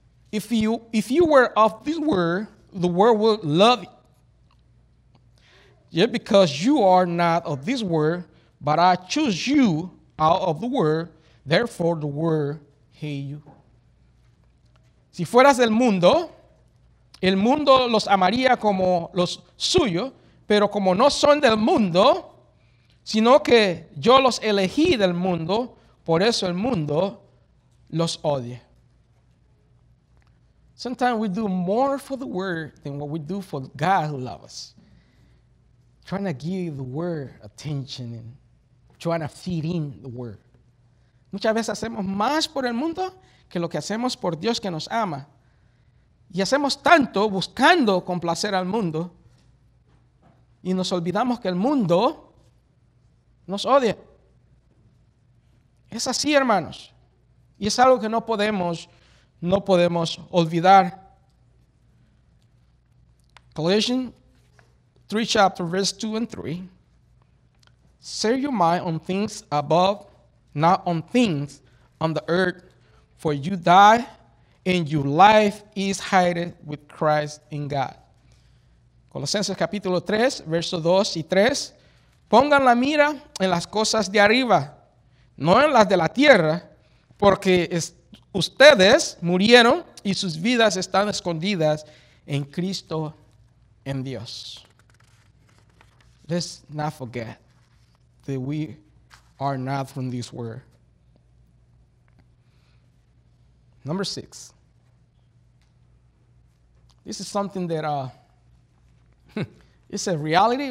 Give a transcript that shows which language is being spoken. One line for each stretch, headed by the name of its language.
English: If you were of this world, the world would love you. Yet because you are not of this world, but I choose you out of the world, therefore the world hate you.
Spanish: Si fueras del mundo, el mundo los amaría como los suyos, pero como no son del mundo, sino que yo los elegí del mundo, por eso el mundo los odia.
English: Sometimes we do more for the world than what we do for God who loves us. Trying to give the world attention and trying to feed in the world.
Spanish: Muchas veces hacemos más por el mundo que lo que hacemos por Dios que nos ama. Y hacemos tanto buscando complacer al mundo. Y nos olvidamos que el mundo nos odia. Es así, hermanos. Y es algo que no podemos olvidar.
English: Colossians 3, chapter, verse 2 and 3. Set your mind on things above, not on things on the earth. For you die, and your life is hided with Christ in God.
Spanish: Colosenses capítulo 3, versos 2 y 3. Pongan la mira en las cosas de arriba, no en las de la tierra, porque ustedes murieron y sus vidas están escondidas en Cristo, en Dios.
English: Let's not forget that we are not from this world. Number 6. This is something that... It's a reality.